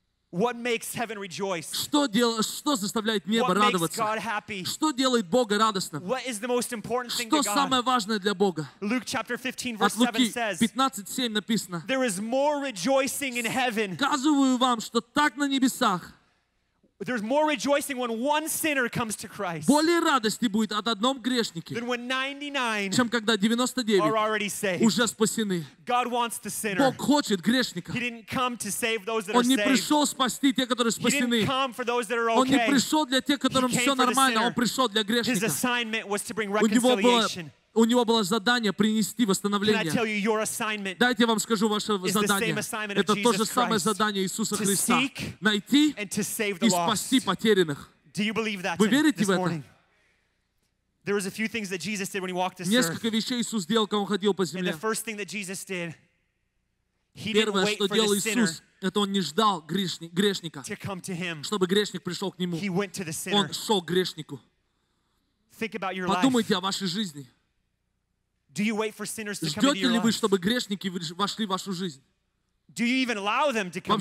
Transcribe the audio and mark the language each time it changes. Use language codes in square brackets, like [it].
[en] What makes heaven rejoice? [ru] Что заставляет небо радоваться? [en] What makes God happy? [ru] Что делает Бога радостным? [en] What is the most important thing [ru] Что [en] to God? [ru] Что самое важное для Бога? [en] Luke chapter 15 verse 7 says. [ru] 15:7 написано. [en] There is more rejoicing in heaven. [ru] Сказываю вам, что так на небесах. [en] There's more rejoicing when one sinner comes to Christ. [ru] Более радости будет от одном грешнике. [en] Than when 99. [ru] Чем когда 99. [en] Are already saved. [ru] Уже спасены. [en] God wants the sinner. [ru] Бог хочет грешника. [en] He didn't come to save those that are [ru] Он [en] saved. [ru] Он не пришел спасти тех, которые спасены. [en] He didn't come for those that are okay. [ru] Он не пришел для тех, которым все нормально. Он пришел для грешника. [en] His assignment was to bring reconciliation. [ru] У него было задание принести восстановление. [en] Can I tell you, your assignment [ru] Дайте я вам скажу ваше задание. Это то же самое задание Иисуса Христа. Найти и спасти потерянных. Вы верите в это? [en] There was a few things that Jesus did when he walked this [ru] Несколько [en] earth. [ru] Вещей Иисус делал, когда Он ходил по земле. [en] And the first thing that Jesus did, he [ru] Первое, [en] didn't [ru] что делал Иисус, это Он не ждал грешника, [en] to come to him. [ru] Чтобы грешник пришел к Нему. [en] He went to the [ru] он шел к грешнику. [en] Think about your [ru] Подумайте [en] life. [ru] О вашей жизни. [en] Do you wait for sinners to come [ru] Ждете [en] into your [ru] ли вы, [en] life? [ru] Чтобы грешники вошли в вашу жизнь? [en] Do you even allow them to come